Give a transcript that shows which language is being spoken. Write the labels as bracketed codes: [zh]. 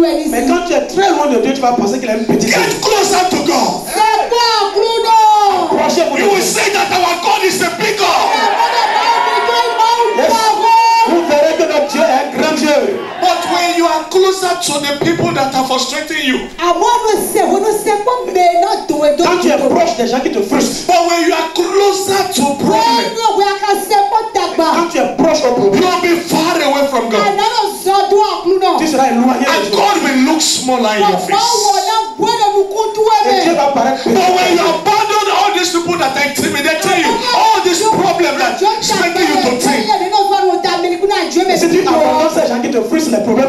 [fr] Mais quand tu es très loin de Dieu, tu vas penser qu'il est une petite. [en] Get closer to God. You will say that our God is a big God. Yes. [fr] Vous verrez que notre Dieu est un grand Dieu. [en] But when you are closer to the people that are frustrating you. [fr] Quand tu es proche des gens qui te frustrent. [en] But when you are closer to problem. [fr] Quand tu es proche au problème. [en] You will be far away from God. [fr] Tu seras éloigné. [en] And God will look smaller in your face. [fr] Et Dieu va paraître petit. [en] But when you abandon all these people that are intimidating you. All these problems that are expecting you to think. [fr] Si tu abandonnes ces gens qui te frustrent les problèmes,